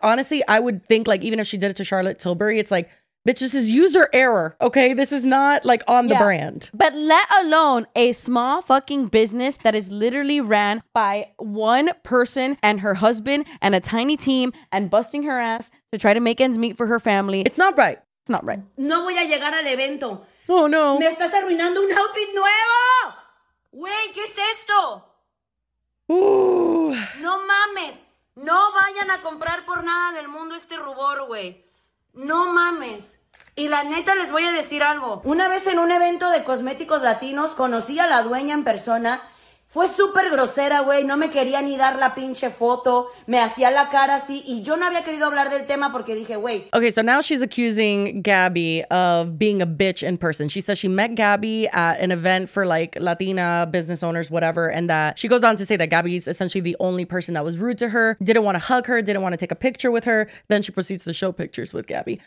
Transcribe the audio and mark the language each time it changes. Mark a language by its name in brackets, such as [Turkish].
[English] Honestly, I would think, like, even if she did it to Charlotte Tilbury, it's like, bitch, this is user error, okay? This is not, like, on the brand. But let alone a small fucking business that is literally ran by one person and her husband and a tiny team and busting her ass to try to make ends meet for her family. It's not right. It's not right. [Spanish] No voy a llegar al evento. [English] Oh, no. [Spanish] Me estás arruinando un outfit nuevo. Wey, ¿qué es esto? Ooh. No mames. No vayan a comprar por nada del mundo este rubor, wey. No mames. Y la neta les voy a decir algo. Una vez en un evento de cosméticos latinos conocí a la dueña en persona. Fue súper grosera, güey. No me quería ni dar la pinche foto. Me hacía la cara así. Y yo no había querido hablar del tema porque dije, güey. [English] Okay, so now she's accusing Gabby of being a bitch in person. She says she met Gabby at an event for like Latina business owners, whatever. And that she goes on to say that Gabby's essentially the only person that was rude to her. Didn't want to hug her. Didn't want to take a picture with her. Then she proceeds to show pictures with Gabby.